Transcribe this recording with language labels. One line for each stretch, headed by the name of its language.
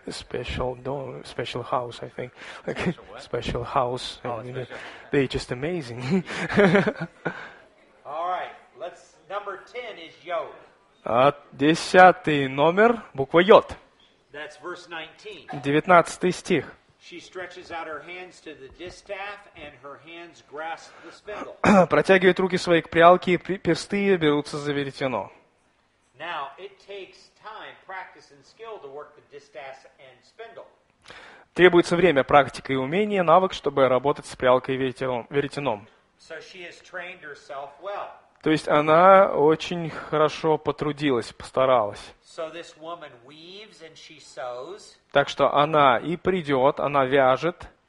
English: Special house, I think. Like, special house. And, you know, they're just amazing. All right. Let's, number 10 is Yod.
Russian: Десятый номер, буква Йод.
English: That's verse 19.
Russian: 19 стих.
English: She stretches out her hands to the distaff, and her hands grasp the spindle.
Russian: Протягивает руки свои к прялке, и персты берутся за веретено.
English: Now, it takes time, practice, and skill to work the distaff and spindle.
Russian: Требуется время, практика и умение, навык, чтобы работать с прялкой и веретеном.
English: So she has trained herself well.
Russian: То есть она очень хорошо потрудилась, постаралась.
English: So this woman weaves and she sews.
Russian: Так что она и придет, она вяжет.